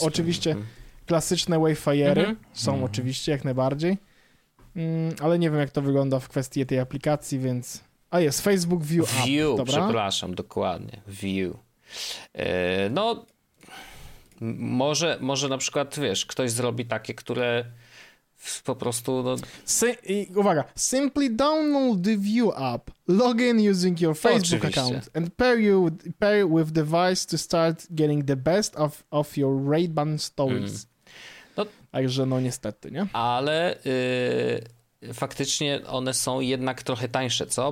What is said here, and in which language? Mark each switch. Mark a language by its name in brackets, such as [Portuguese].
[Polish] Są oczywiście klasyczne Wayfarery, są oczywiście jak najbardziej, ale nie wiem jak to wygląda w kwestii tej aplikacji, więc... A jest, Facebook View App. View, dobra? Przepraszam, dokładnie, View. No, może na przykład, wiesz, ktoś zrobi takie, które... Po prostu. No. Uwaga. [English] Simply download the View app, log in using your Facebook account, and pair with device to start getting the best of your Ray-Ban stories. [Polish] No, także no niestety, nie? Ale faktycznie one są jednak trochę tańsze, co?